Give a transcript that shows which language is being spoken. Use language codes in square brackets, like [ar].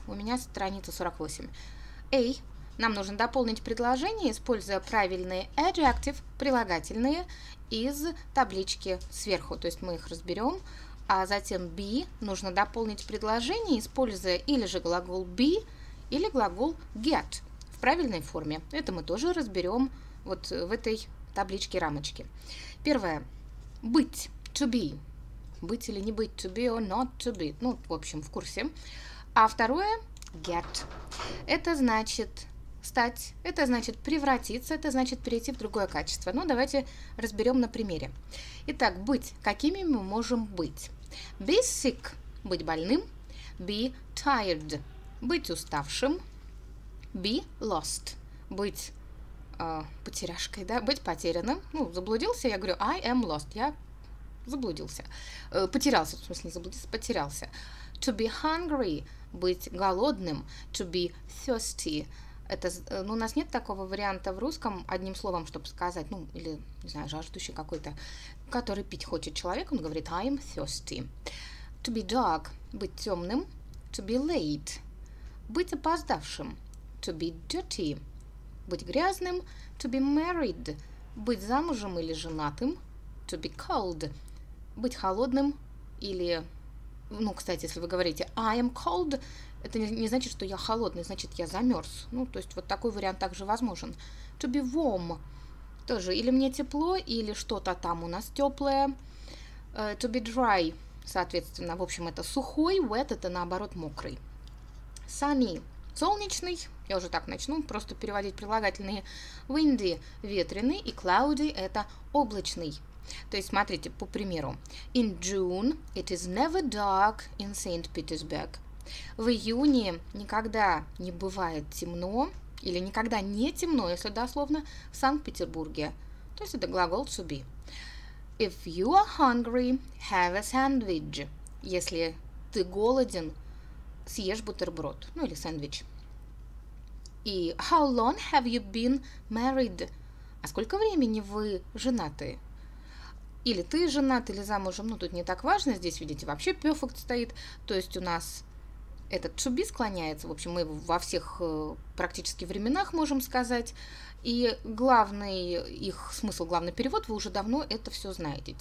[ru] У меня страница 48. Эй, нам нужно дополнить предложение, используя правильные adjective, прилагательные, из таблички сверху. То есть мы их разберем. А затем be нужно дополнить предложение, используя или же глагол be, или глагол get в правильной форме. Это мы тоже разберем вот в этой табличке рамочки. Первое. Быть, [en] to be. [ru] Быть или не быть, [en] to be or not to be. [ru] Ну, в общем, в курсе. А второе, get. Это значит стать, это значит превратиться, это значит перейти в другое качество. Ну, давайте разберем на примере. Итак, быть. Какими мы можем быть? [en] Be sick, [ru] быть больным. [en] Be tired, [ru] быть уставшим. [en] Be lost, [ru] быть потеряшкой, да, быть потерянным. Ну, заблудился, я говорю, [en] I am lost, [ru] я заблудился. Потерялся, в смысле, не заблудился, потерялся. [en] To be hungry, [ru] быть голодным. [en] To be thirsty. Это, ну, у нас нет такого варианта в русском, одним словом, чтобы сказать, ну, или, не знаю, жаждущий какой-то, который пить хочет человек, он говорит, I am thirsty. To be dark, [ru] быть темным. [en] To be late, [ru] быть опоздавшим. [en] To be dirty, [ru] быть грязным. [en] To be married, [ru] быть замужем или женатым. [en] To be cold, [ru] быть холодным или... Ну, кстати, если вы говорите [en] I am cold, [ru] это не значит, что я холодный, значит, я замерз. Ну, то есть вот такой вариант также возможен. [en] To be warm, [ru] тоже или мне тепло, или что-то там у нас теплое. [en] To be dry, [ru] соответственно, в общем, это сухой, wet, это наоборот мокрый. Sunny, солнечный, я уже так начну, просто переводить прилагательные. Windy, ветреный, и cloudy, это облачный. То есть, смотрите, по примеру. [en] In June it is never dark in St. Petersburg. [ru] В июне никогда не бывает темно, или никогда не темно, если дословно, в Санкт-Петербурге. То есть это глагол [en] to be. If you are hungry, have a sandwich. [ru] Если ты голоден, съешь бутерброд, ну или сэндвич. [en] И how long have you been married? [ru] А сколько времени вы женаты? Или ты женат, или замужем, ну тут не так важно, здесь, видите, вообще perfect стоит, то есть у нас этот to be склоняется, в общем, мы во всех практически временах можем сказать, и главный их смысл, главный перевод, вы уже давно это все знаете.